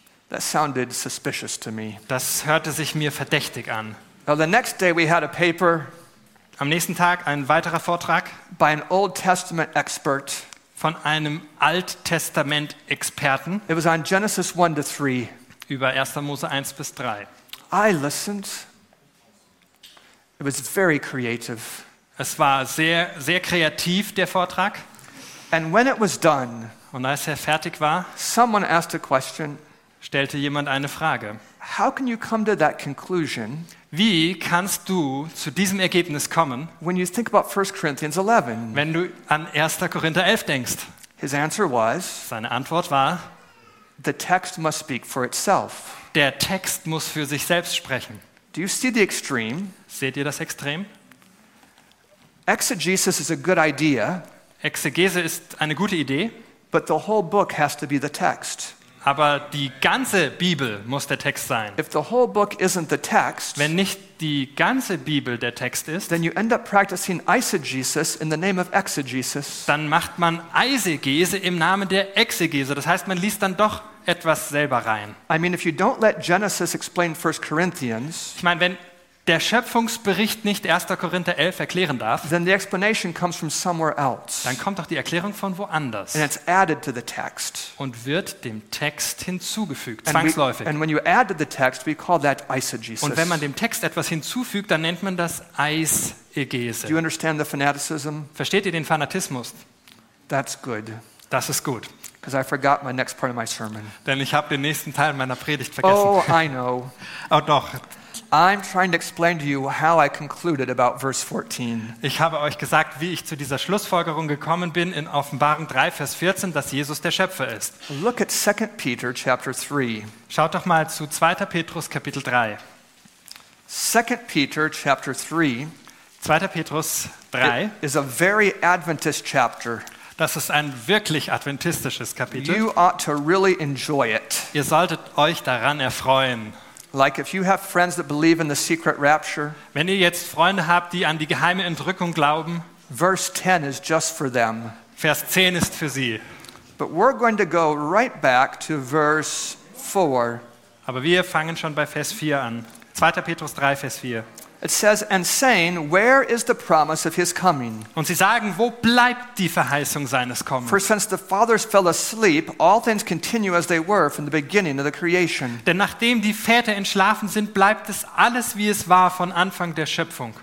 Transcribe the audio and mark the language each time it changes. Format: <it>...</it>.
<en>That sounded suspicious to me.</en> <de>Das hörte sich mir verdächtig an.</de> <en>Well, the next day we had a paper.</en> <de>Am nächsten Tag ein weiterer Vortrag</de> <en>by an Old Testament expert.</en> <de>Von einem Alttestament-Experten.</de> <en>It was on Genesis 1 to 3.</en> <de>Über 1. Mose 1 bis 3.</de> <en>I listened. It was very creative.</en> <de>Es war sehr, sehr kreativ, der Vortrag.</de> <en>And when it was done,</en> <de>und als er fertig war,</de> <en>someone asked a question,</en> <de>stellte jemand eine Frage.</de> <en>How can you come to that conclusion,</en> <de>wie kannst du zu diesem Ergebnis kommen,</de> <en>when you think about 1 Corinthians 11?</en> <de>Wenn du an 1. Korinther 11 denkst?</de> <en>His answer was,</en> <de>seine Antwort war,</de> <en>the text must speak for itself.</en> <de>Der Text muss für sich selbst sprechen.</de> <en>Do you see the extreme?</en> <de>Seht ihr das Extrem?</de> <en>Exegesis is a good idea.</en> <de>Exegese ist eine gute Idee.</de> <en>But the whole book has to be the text.</en> <de>Aber die ganze Bibel muss der Text sein.</de> <en>If the whole book isn't the text,</en> <de>wenn nicht die ganze Bibel der Text ist,</de> <en>then you end up practicing eisegesis in the name of exegesis.</en> <de>Dann macht man Eisegese im Namen der Exegese. Das heißt, man liest dann doch etwas selber rein.</de> <en>I mean, if you don't let Genesis explain 1 Corinthians,</en> <de>ich meine, wenn der Schöpfungsbericht nicht 1. Korinther 11 erklären darf,</de> <en>then the explanation comes from somewhere else.</en> <de>Dann kommt doch die Erklärung von woanders.</de> <en>And it's added to the text.</en> <de>Und wird dem Text hinzugefügt, zwangsläufig.</de> <en>And when you add to the text, we call that eisegesis.</en> <de>Und wenn man dem Text etwas hinzufügt, dann nennt man das Eisegese.</de> <en>Do you understand the fanaticism?</en> <de>Versteht ihr den Fanatismus?</de> <en>That's good.</en> <de>Das ist gut.</de> <en>Because I forgot my next part of my sermon.</en> <de>Denn ich habe den nächsten Teil meiner Predigt vergessen.</de> <en>Oh, I know.</en> <de>Oh, doch.</de> <en>I'm trying to explain to you how I concluded about verse 14.</en> <de>Ich habe euch gesagt, wie ich zu dieser Schlussfolgerung gekommen bin in Offenbarung 3 Vers 14, dass Jesus der Schöpfer ist.</de> <en>Look at 2 Peter chapter 3.</en> <de>Schaut doch mal zu 2. Petrus Kapitel 3.</de> <en>2 Peter chapter 3.</en> <de>2. Petrus 3</de> <en>is a very Adventist chapter.</en> <de>Das ist ein wirklich adventistisches Kapitel.</de> <en>You ought to really enjoy it.</en> <de>Ihr solltet euch daran erfreuen.</de> <en>Like if you have friends that believe in the secret rapture.</en> <de>Wenn ihr jetzt Freunde habt, die an die geheime Entrückung glauben.</de> <en>Verse 10 is just for them.</en> <de>Vers 10 ist für sie.</de> <en>But we're going to go right back to verse 4.</en> <de>Aber wir fangen schon bei Vers 4 an. 2. Petrus 3 Vers 4.</de> <en>It says, and saying, where is the promise of his coming?</en> <de>Und sie sagen, wo bleibt die Verheißung seines Kommens?</de> <en>For since the fathers fell asleep, all things continue as they were from the beginning of the creation.</en> <de>Denn nachdem die Väter entschlafen sind, bleibt es alles, wie es war von Anfang der Schöpfung.</de>